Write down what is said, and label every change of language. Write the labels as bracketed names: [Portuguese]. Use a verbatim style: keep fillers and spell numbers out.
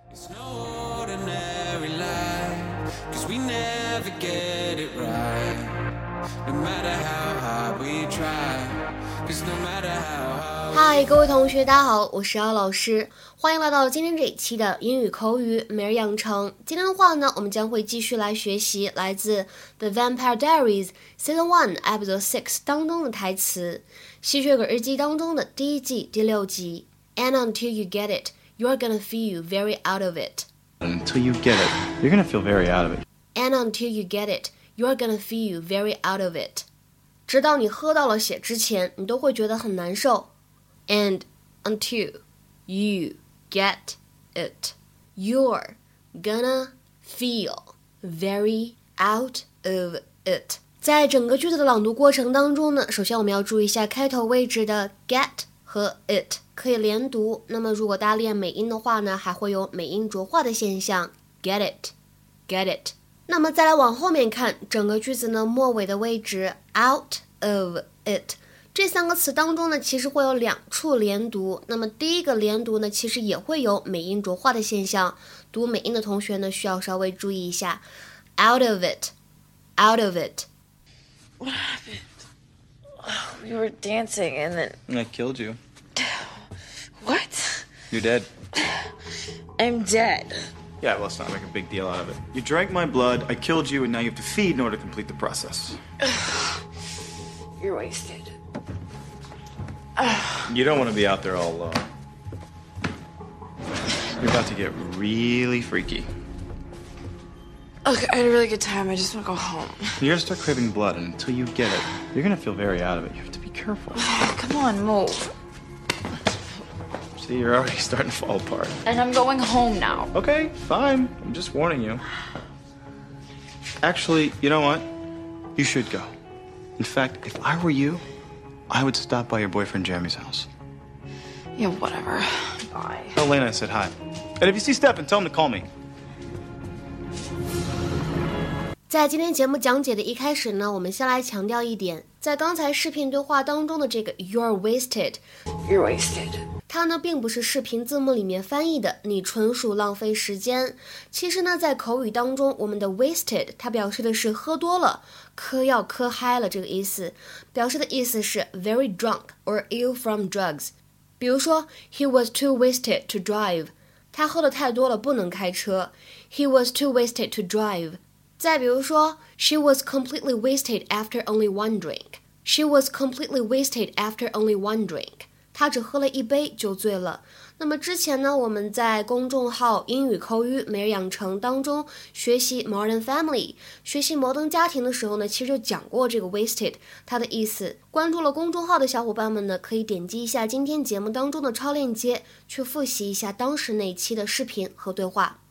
[English] It's no ordinary life, cause we never get it right, no matter how hard we try, cause no matter how hard. [Chinese] 嗨，各位同学，大家好，我是姚老师，欢迎来到今天这一期的英语口语每日养成。今天的话呢，我们将会继续来学习来自 The Vampire Diaries Season one Episode six 当中的台词，吸血鬼日记当中的第一季第六集 [English] And until you get it,You're gonna feel very out of it. Until you get it, you're gonna feel very out of it. And until you get it, you're gonna feel very out of it. [Chinese] 直到你喝到了血之前，你都会觉得很难受。 [English] And until you get it, you're gonna feel very out of it. [Chinese] 在整个句子的朗读过程当中呢，首先我们要注意一下开头位置的 get和 it 可以连读，那么如果大家练美音的话呢，还会有美音浊化的现象 [English] get it get it。 [Chinese] 那么再来往后面看，整个句子呢末尾的位置 out of it 这三个词当中呢，其实会有两处连读，那么第一个连读呢，其实也会有美音浊化的现象，读美音的同学呢需要稍微注意一下 [English] out of it out of it。 What happened? We were dancing and then... I killed you. What? You're dead. I'm dead. Yeah, well, let's not make a big deal out of it. You drank my blood, I killed you, and now you have to feed in order to complete the process. You're wasted. You don't want to be out there all alone. You're about to get really freaky. Look, I had a really good time. I just want to go home. You're going to start craving blood, and until you get it, you're going to feel very out of it. You have to be careful. Oh, come on, move. See, you're already starting to fall apart. And I'm going home now. Okay, fine. I'm just warning you. Actually, you know what? You should go. In fact, if I were you, I would stop by your boyfriend Jeremy's house. Yeah, whatever. Bye. Elena, I said hi. And if you see Stefan, tell him to call me. [Chinese] 在今天节目讲解的一开始呢，我们先来强调一点，在刚才视频对话当中的这个 [English] You're wasted You're wasted [Chinese] 它呢并不是视频字幕里面翻译的你纯属浪费时间。其实呢在口语当中，我们的 wasted 它表示的是喝多了，嗑药嗑嗨了这个意思，表示的意思是 [English] very drunk or ill from drugs。比如说 He was too wasted to drive [Chinese] 他喝得太多了不能开车 [English] He was too wasted to drive。再比如说 She was completely wasted after only one drink She was completely wasted after only one drink [Chinese] 她只喝了一杯就醉了。那么之前呢，我们在公众号英语口语每日养成当中学习 Modern Family 学习摩登家庭的时候呢，其实就讲过这个 wasted 它的意思。关注了公众号的小伙伴们呢，可以点击一下今天节目当中的超链接，去复习一下当时那一期的视频和对话。